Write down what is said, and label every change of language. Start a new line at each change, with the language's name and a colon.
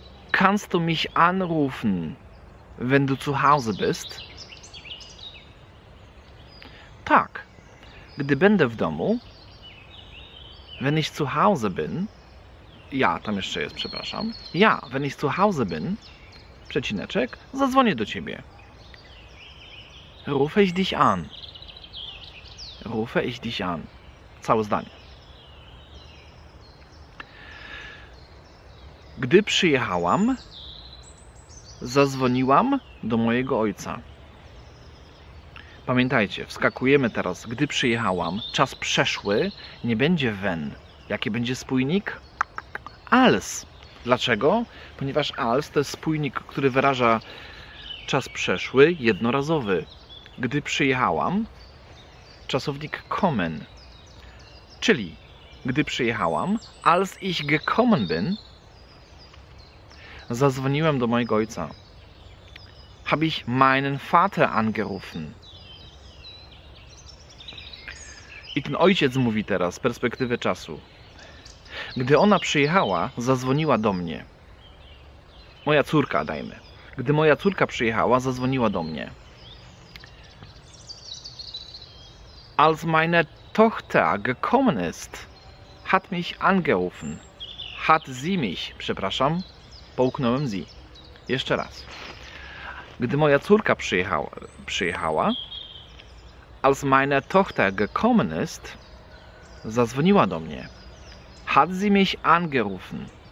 German: Kannst du mich anrufen, wenn du zu Hause bist?
Polish: Tak. Gdy będę w domu,
German: wenn ich zu Hause bin,
Polish: ja, tam jeszcze jest, przepraszam, ja, wenn ich zu Hause bin, przecineczek, zadzwonię do ciebie.
German: Rufe ich dich an. Rufe ich dich an.
Polish: Całe zdanie. Gdy przyjechałam, zadzwoniłam do mojego ojca. Pamiętajcie, wskakujemy teraz, gdy przyjechałam, czas przeszły, nie będzie wenn. Jaki będzie spójnik? Als. Dlaczego? Ponieważ als to jest spójnik, który wyraża czas przeszły, jednorazowy. Gdy przyjechałam, czasownik kommen. Czyli, gdy przyjechałam,
German: als ich gekommen bin,
Polish: zadzwoniłem do mojego ojca.
German: Hab ich meinen Vater angerufen.
Polish: I ten ojciec mówi teraz z perspektywy czasu. Gdy ona przyjechała, zadzwoniła do mnie. Moja córka, dajmy. Gdy moja córka przyjechała, zadzwoniła do mnie.
German: Als meine Tochter gekommen ist, hat mich angerufen. Hat sie mich,
Polish: przepraszam, połknąłem sie. Jeszcze raz. Gdy moja córka przyjechała,
German: als meine Tochter gekommen ist,
Polish: zadzwoniła do mnie.
German: Hat sie mich angerufen.